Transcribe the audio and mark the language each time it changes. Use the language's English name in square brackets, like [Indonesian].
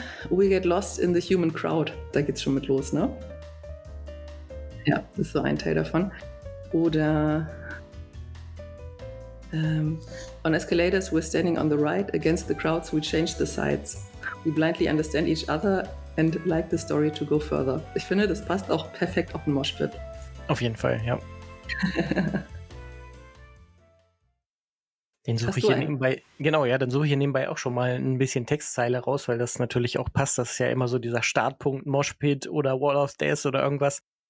[English] We get lost in the human crowd. [German] Da geht's schon mit los, ne? Ja, das ist so ein Teil davon. [English] Oder on escalators we're standing on the right against the crowds we change the sides. We blindly understand each other and like the story to go further. [German] Ich finde, das passt auch perfekt auf den Moshpit. Auf jeden Fall, ja. Dann suche ich hier nebenbei auch schon mal ein bisschen Textzeile raus, weil das natürlich auch passt. Das ist ja immer so dieser Startpunkt, Moshpit oder Wall of Death oder irgendwas.